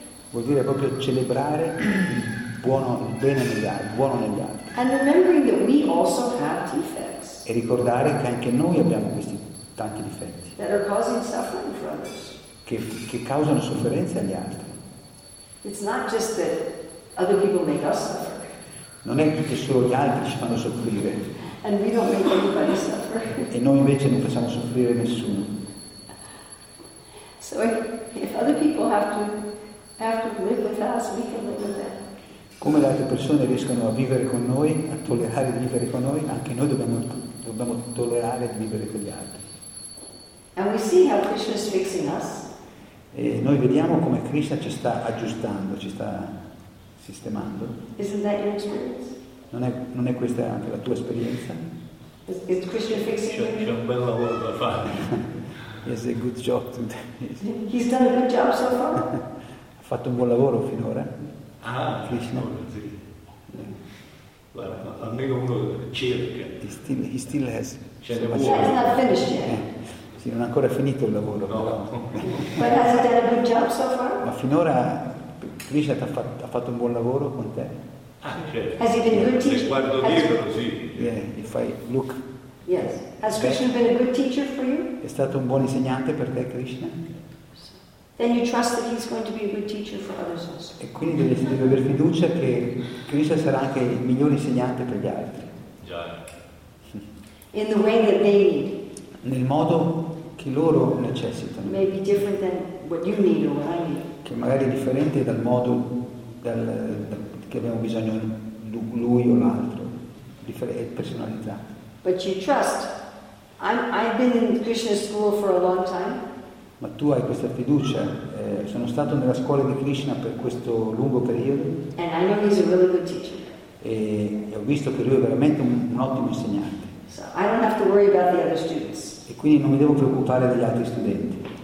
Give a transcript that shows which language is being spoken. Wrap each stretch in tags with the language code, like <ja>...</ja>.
<it>Vuol dire proprio celebrare il bene negli altri.</it> <en>And remembering that we also have defects.</en> <it>E ricordare che anche noi abbiamo questi tanti difetti.</it> <en>That are causing suffering for others.</en> <it>Che causano sofferenze agli altri.</it> <en>It's not just that other people make us suffer.</en> <it>Non è che solo gli altri ci fanno soffrire.</it> <en>And we don't make anybody suffer.</en> <it>E noi invece non facciamo soffrire nessuno.</it> <en>So if other people have to live with us, we can live with them.</en> <it>Come le altre persone riescono a vivere con noi, a tollerare di vivere con noi, anche noi dobbiamo tollerare di vivere con gli altri.</it> <en>And we see how Krishna is fixing us.</en> <it>E noi vediamo come Krishna ci sta aggiustando, ci sta sistemando.</it> <en>Isn't that your experience?</en> <it>Non è questa anche la tua esperienza?</it> <en>Is Krishna fixing you?</en> <it>C'è un bel lavoro da fare.</it> <en>He has a good job today. He's done a good job so far.</en> <it>Ha fatto un buon lavoro finora. Ah, Krishna. Sì. Guarda, almeno uno cerca.</it> <en>He still has. He's not finished yet.</en> <it>Sì, non ha ancora finito il lavoro. No.</it> <en>But has he done a good job so far?</en> <it>Ma finora Krishna ha fatto un buon lavoro con te. Ah, certo.</it> <en>Has he been a good teacher?</en> <it>Se guardo dietro, sì.</it> <en>Yeah, if I look. Yes. Has Krishna been a good teacher for you?</en> <it>È stato un buon insegnante per te, Krishna.</it> <en>Then you trust that he's going to be a good teacher for others also.</en> <it>E quindi devi aver fiducia che Krishna sarà anche il migliore insegnante per gli altri. Già.</it> <en>In the way that they need.</en> <it>Nel modo che loro necessitano.</it> <en>Maybe different than what you need or what I need.</en> <it>Che magari è differente dal modo che abbiamo bisogno lui o l'altro, è personalizzato.</it> <en>But you trust. I've been in Krishna's school for a long time.</en> <it>Ma tu hai questa fiducia. Sono stato nella scuola di Krishna per questo lungo periodo.</it> <en>And I know he's a really good teacher.</en> <it>E ho visto che lui è veramente un ottimo insegnante.</it> <en>So I don't have to worry about the other students.</en> <it>E quindi non mi devo preoccupare degli altri studenti.</it>